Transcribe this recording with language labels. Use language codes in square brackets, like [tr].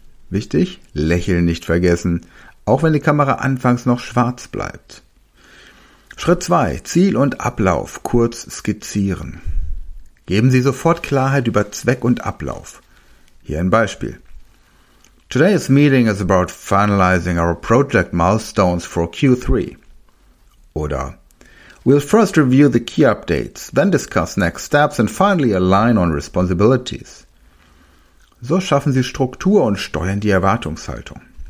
[de] Wichtig, Lächeln nicht vergessen, auch wenn die Kamera anfangs noch schwarz bleibt. Schritt 2, Ziel und Ablauf kurz skizzieren. Geben Sie sofort Klarheit über Zweck und Ablauf. Hier ein Beispiel. [en] Today's meeting is about finalizing our project milestones for Q3. [de] Oder [en] we'll first review the key updates, then discuss next steps and finally align on responsibilities. [de] So schaffen Sie Struktur und steuern die Erwartungshaltung.